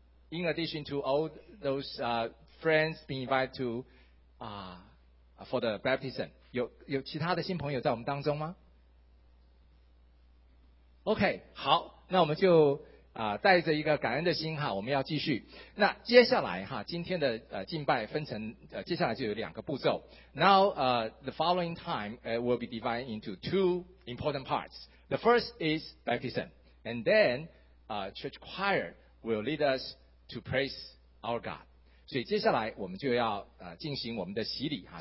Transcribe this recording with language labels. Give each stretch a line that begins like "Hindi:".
English: In addition to all those friends being invited to for the baptism,
Chinese: 有其他的新朋友在我们当中吗？
English: OK,
Chinese: 好，那我们就带着一个感恩的心哈，我们要继续。那接下来哈，今天的敬拜分成接下来就有两个步骤。
English: Now the following time will be divided into two important parts. The first is baptism, and then church choir will lead us to praise our God.
Chinese: 所以接下来我们就要进行我们的洗礼哈。